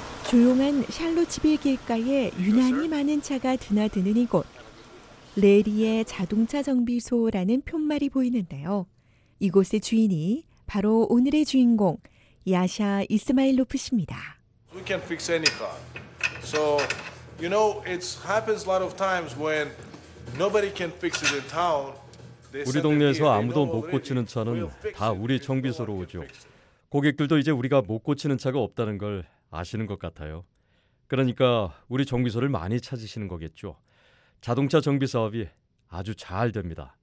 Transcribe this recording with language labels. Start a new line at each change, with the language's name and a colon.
Korean: 조용한 샬롯츠빌 길가에 유난히 많은 차가 드나드는 이곳. 레리의 자동차 정비소라는 푯말이 보이는데요. 이곳의 주인이 바로 오늘의 주인공 야샤 이스마일로프 씨입니다.
English: We can fix any car. So, you know, it happens a lot of times when nobody can fix it in town.
Korean: 우리 동네에서 아무도 못 고치는 차는 다 우리 정비소로 오죠. 고객들도 이제 우리가 못 고치는 차가 없다는 걸 아시는 것 같아요. 그러니까 우리 정비소를 많이 찾으시는 거겠죠. 자동차 정비 사업이 아주 잘 됩니다.